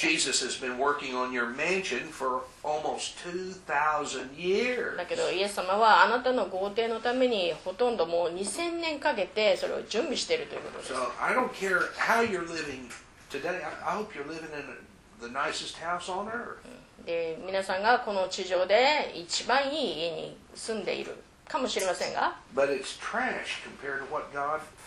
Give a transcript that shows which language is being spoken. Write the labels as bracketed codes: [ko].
[en] Jesus has been working on your mansion for almost 2,000 years. [ja] だけどイエス様はあなたの豪邸のためにほとんどもう2000年かけてそれを準備しているということです。 [en] So I don't care how you're living today. I hope you're living in the nicest house on earth. [ja] で皆さんがこの地上で一番いい家に住んでいるかもしれませんが。 [en] But it's trash compared to what God